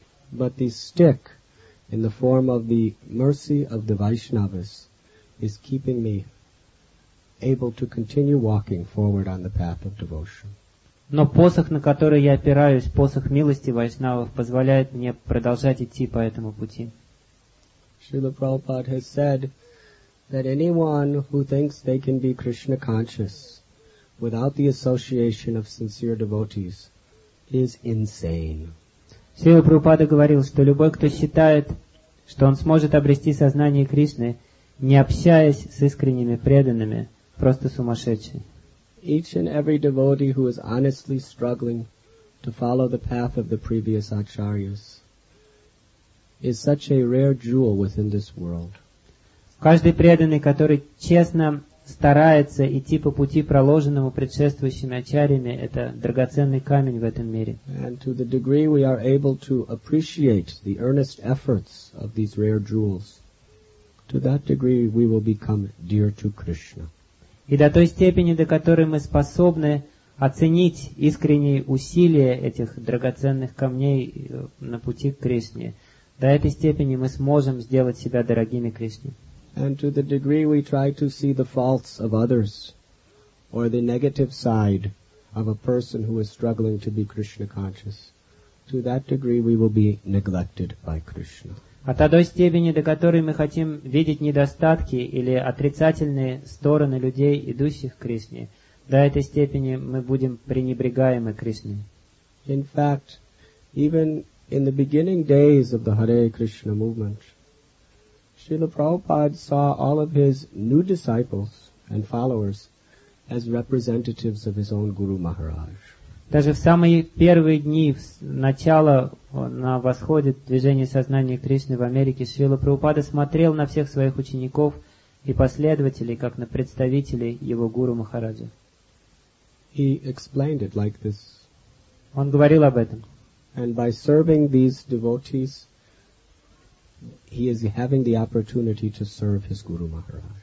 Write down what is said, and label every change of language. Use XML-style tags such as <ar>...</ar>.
<en>But the stick in the form of the mercy of the Vaishnavas is keeping me able to continue walking forward on the path of devotion.</en> <ru>Но посох, на который я опираюсь, посох милости Вайшнавов, позволяет мне продолжать идти по этому пути.</ru> <en>Srila Prabhupada has said that anyone who thinks they can be Krishna conscious without the association of sincere devotees is insane.</en> <ru>Шрила Прабхупада говорил, что любой, кто считает, что он сможет обрести сознание Кришны, не общаясь с искренними преданными, просто сумасшедший.</ru> <en>Each and every devotee who is honestly struggling to follow the path of the previous acharyas is such a rare jewel within this world.</en> <ru>Каждый преданный, который честно старается идти по пути, проложенному предшествующими ачарьями, это драгоценный камень в этом мире.</ru> <en>And to the degree we are able to appreciate the earnest efforts of these rare jewels, to that degree we will become dear to Krishna.</en> <ru>И до той степени, до которой мы способны оценить искренние усилия этих драгоценных камней на пути к Кришне, до этой степени мы сможем сделать себя дорогими Кришне.</ru> <en>And to the degree we try to see the faults of others or the negative side of a person who is struggling to be Krishna conscious, to that degree we will be neglected by Krishna.</en> <ru>А та до степени, до которой мы хотим видеть недостатки или отрицательные стороны людей, идущих к Кришне, до этой степени мы будем пренебрегаемы Кришне.</ru> <en>In fact, even in the beginning days of the Hare Krishna movement, Srila Prabhupada saw all of his new disciples and followers as representatives of his own Guru Maharaj.</en> <ru>Даже в самые первые дни, в начало на восходе движения сознания Кришны в Америке, Шрила Прабхупада смотрел на всех своих учеников и последователей, как на представителей его Гуру Махараджа.</ru> <en>He explained it like this.</en> <ru>Он говорил об этом.</ru> <en>And by serving these devotees, he is having the opportunity to serve his Guru Maharaj.</en>